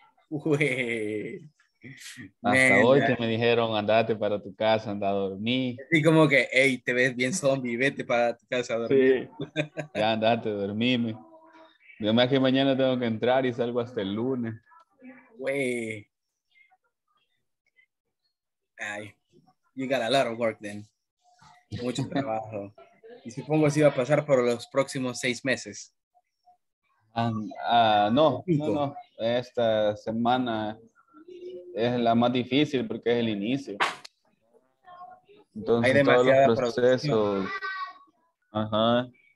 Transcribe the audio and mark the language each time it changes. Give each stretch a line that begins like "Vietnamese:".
Spanish: Uy. Hasta man, hoy que me dijeron, andate para tu casa, anda a dormir. Y como que, hey, te ves bien zombie, vete para tu casa a dormir. Sí. Ya, andate, dormime. Yo más que mañana tengo que entrar y salgo hasta el lunes. Güey.
English: Ay, you got a lot of work then.
Spanish: Mucho trabajo. Y supongo así va a pasar por los próximos 6 meses. No. Esta semana es la más difícil porque es el inicio. Entonces, hay todos los procesos. Ajá.